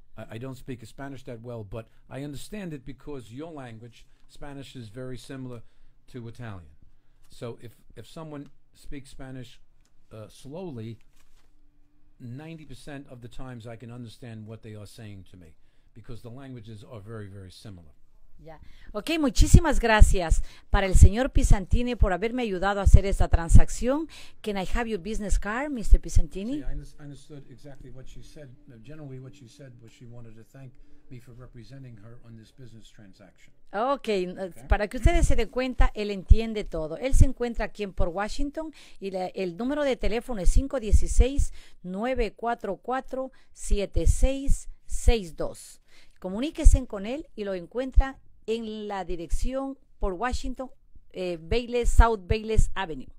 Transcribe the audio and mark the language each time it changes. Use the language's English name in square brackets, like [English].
[English] I don't speak Spanish that well, but I understand it because your language, Spanish, is very similar to Italian. So if someone speaks Spanish slowly, 90% of the times I can understand what they are saying to me because the languages are very, very similar. [Spanish] Ya. Ok, muchísimas gracias para el señor Pissantini por haberme ayudado a hacer esta transacción. [English] Can I have your business card, Mr. Pissantini? See, I understood exactly what she said. Generally, what she said was she wanted to thank me for representing her on this business transaction. Okay. [Spanish] Para que ustedes se den cuenta, él entiende todo. Él se encuentra aquí en Port Washington y el número de teléfono es 516-944-7662. Comuníquense con él y lo encuentra en la dirección por Washington, Bayless, South Bayless Avenue.